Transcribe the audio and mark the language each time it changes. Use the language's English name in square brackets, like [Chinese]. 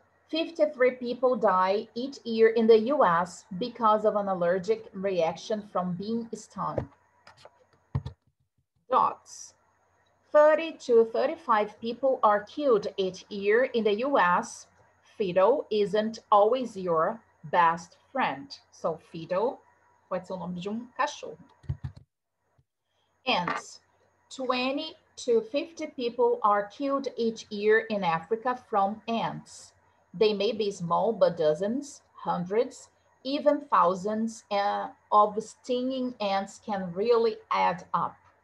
[English] 53 people die each year in the US because of an allergic reaction from being stung. Dogs. 30 to 35 people are killed each year in the US. Fido isn't always your best friend. [Portuguese] So, Fido pode ser o nome de um cachorro. [English] Ants. 20 to 50 people are killed each year in Africa from ants. They may be small, but dozens, hundreds, even thousands of stinging ants can really add up.